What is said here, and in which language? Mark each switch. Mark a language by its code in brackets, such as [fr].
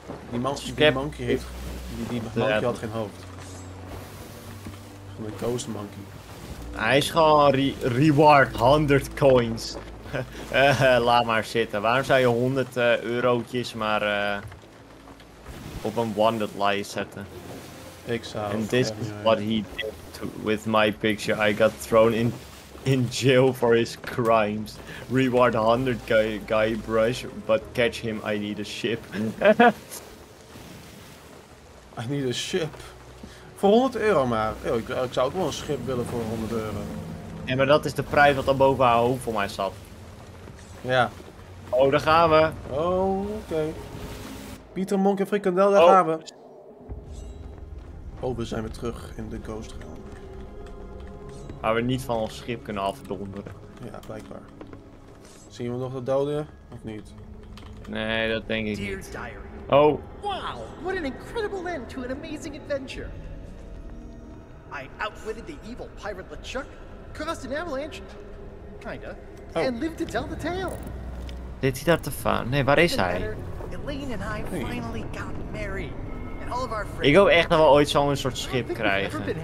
[nl] Die man die een monkey heeft. Die monkey had geen hoofd. Van de Ghost Monkey. Hij is gewoon reward 100 coins. laat maar zitten. Waarom zou je 100 eurotjes maar op een wanted lie zetten? Ik zou. [en] And this is what he did to, with my picture. I got thrown in jail for his crimes. Reward 100 guy brush, but catch him. I need a ship. I need a ship. [nl] Voor 100 euro maar. Yo, ik zou ook wel een schip willen voor 100 euro. Ja, maar dat is de prijs wat dan boven haar hoofd voor mij zat. Ja. Oh, daar gaan we. Oh, oké. Okay. Pieter, Monk en Frikandel, daar gaan we. Oh, we zijn weer terug in de Ghost Realm. Waar we niet van ons schip kunnen afdonderen. Ja, blijkbaar. Zien we nog de doden? Of niet? Nee, dat denk ik niet. Oh. [en] Wow, what an incredible end to an amazing adventure. I outwitted the evil pirate LeChuck, caused an avalanche, kinda, and lived to tell the tale. Did he have to find? [nl] Nee, waar is hij? [en] Elaine and I finally got married, and all of our friends. [nl] Ik hoop echt dat we ooit zo'n soort schip krijgen.